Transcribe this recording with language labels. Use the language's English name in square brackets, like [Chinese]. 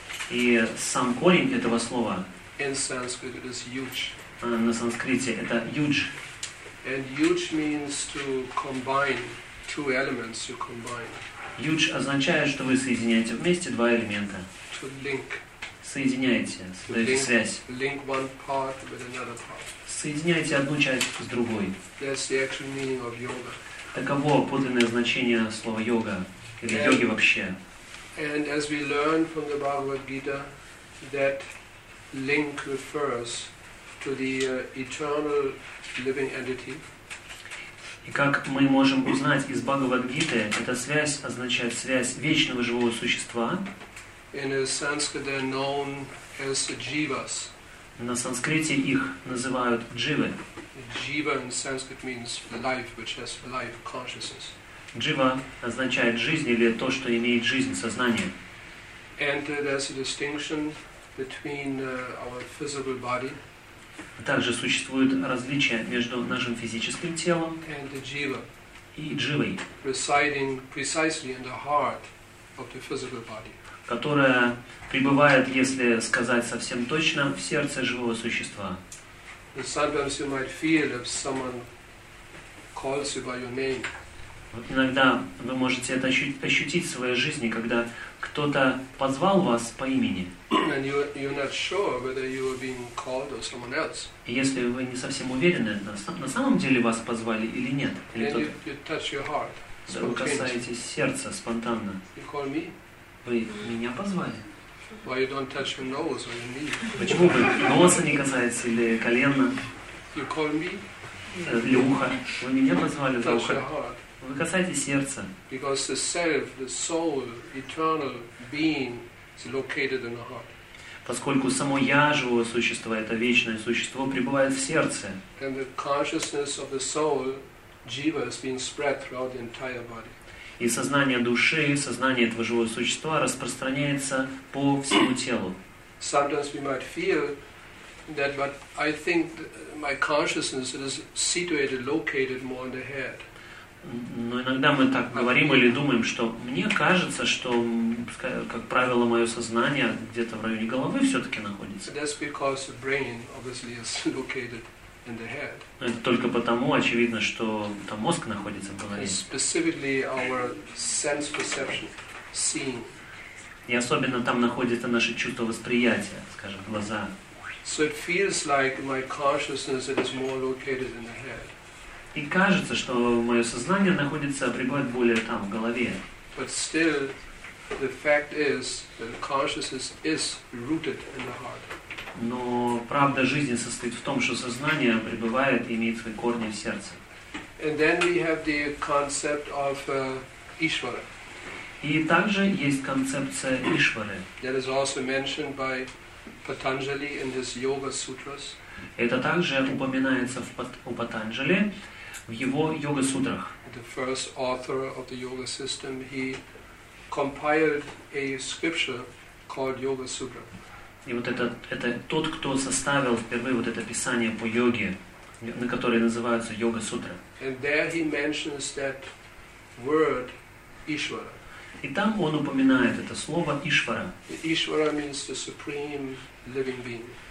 [Russian] И сам корень этого слова. [English] In Sanskrit, it is yuj. [Russian] На санскрите это yuj. [English] And yuj means to combine two elements. You combine. [Russian] Yuj означает, что вы соединяете вместе два элемента. [English] To link. [Russian] Соединяете, создаете связь. [English] Link one part with another part. [Russian] Соединяете одну часть с другой. [English] That's the actual meaning of yoga. [Russian] Таково подлинное значение слова йога или йоги вообще. [English] And as we learn from the Bhagavad Gita, that link refers to the eternal living entity. [Russian] И как мы можем узнать из Бхагавад Гиты, эта связь означает связь вечного живого существа. [English] In Sanskrit, they're known as jivas. [Russian] На санскрите их называют дживы. [English] Jiva in Sanskrit means life, which has life consciousness. [Russian] Jiva означает жизнь или то, что имеет жизнь, сознание. [English] And there's a distinction between our physical body. [Russian] Также существует различие между нашим физическим телом [English] and the jiva, [Russian] и дживой, [English] residing precisely in the heart of the physical body, [Russian] которая пребывает, если сказать совсем точно, в сердце живого существа. [English] Sometimes you might feel if someone calls you by your name. [Russian] Вот иногда вы можете это ощутить в своей жизни, когда кто-то позвал вас по имени. И если вы не совсем уверены, на самом деле вас позвали или нет, или кто-то, то вы касаетесь сердца спонтанно. Вы меня позвали. [English] Why you don't touch your nose or your knee? [Russian] Почему вы носа не касаетесь или колена? [English] You call me? [Russian] Или ухо. Вы меня позвали за ухо. Вы касаетесь сердца. [English] Because the self, the soul, eternal being is located in the heart. [Russian] Поскольку само я, живое существо, это вечное существо, пребывает в сердце. [English] And the consciousness of the soul, jiva, is being spread throughout the entire body. [Russian] И сознание души, сознание этого живого существа распространяется по всему телу. [English] Sometimes we might feel that, but I think my consciousness is situated, located more in the head. [Russian] Но иногда мы так говорим или думаем, что мне кажется, что, как правило, мое сознание где-то в районе головы все-таки находится. [English] That's because the brain obviously is located. [Russian] Но это только потому, очевидно, что там мозг находится в голове. [English] Specifically our sense perception, seeing. [Russian] И особенно там находится наше чувство восприятия, скажем, глаза. [English] So it feels like my consciousness is more located in the head. [Russian] И кажется, что мое сознание находится, пребывает более там, в голове. [English] But still, the fact is that consciousness is rooted in the heart. [Russian] Но правда жизни состоит в том, что сознание пребывает и имеет свои корни в сердце. [English] And then we have the concept of Ishvara. [Russian] И также есть концепция Ишвары. [English] That is also mentioned by Patanjali in his Yoga Sutras. [Russian] Это также упоминается у Патанджали в его йога-сутрах. [English] The first author of the yoga system, he compiled a scripture called Yoga Sutra. [Russian] И вот это тот, кто составил впервые вот это писание по йоге, на которое называется йога-сутра. [English] And there he mentions that word Ishvara. [Russian] И там он упоминает это слово Ишвара. [English] Ishvara means the supreme living being.